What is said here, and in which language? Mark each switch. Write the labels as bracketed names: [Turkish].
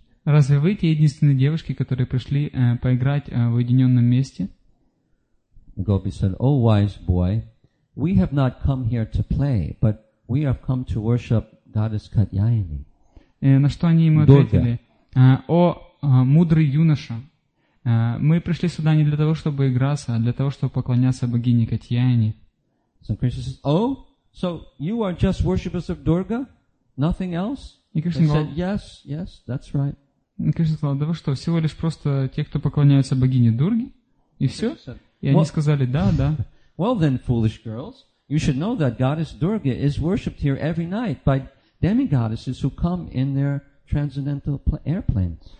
[Russian] Разве вы те единственные девушки, которые пришли поиграть в уединенном месте? [English] Gopi said, oh, wise boy, we have not come here to play, but we have come to worship goddess Katyayani. [Russian] На что они ему ответили, о, мудрый юноша, мы пришли сюда не для того, чтобы играться, а для того, чтобы поклоняться богине Катьяйне. [English] So Krishna says, oh, so you are just worshippers of Durga, nothing else? [Russian] И Кришна сказал, [English] yes, yes, that's right. [Russian] И Кришна сказал, да вы что, всего лишь просто те, кто поклоняются богине Дурге? И все? И они сказали, да, да. [English] Well then, foolish girls, you should know that goddess Durga is worshipped here every night by demigoddesses who come in their transcendental airplanes.